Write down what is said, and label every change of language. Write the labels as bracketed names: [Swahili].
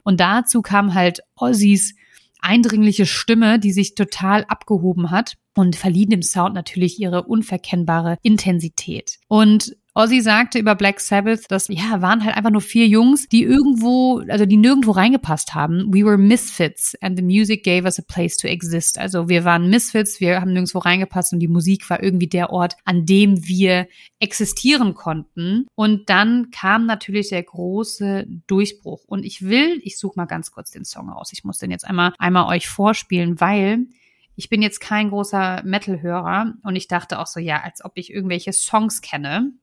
[German] Und dazu kam halt Ozzys eindringliche Stimme, die sich total abgehoben hat und verlieh dem Sound natürlich ihre unverkennbare Intensität. Und Ozzy sagte über Black Sabbath, dass ja, waren halt einfach nur 4 Jungs, die irgendwo, also die nirgendwo reingepasst haben. [English] We were misfits and the music gave us a place to exist. [German] Also wir waren Misfits, wir haben nirgendwo reingepasst und die Musik war irgendwie der Ort, an dem wir existieren konnten. Und dann kam natürlich der große Durchbruch. Und ich suche mal ganz kurz den Song aus. Ich muss den jetzt einmal euch vorspielen, weil ich bin jetzt kein großer Metal-Hörer und ich dachte auch so, ja, als ob ich irgendwelche Songs kenne.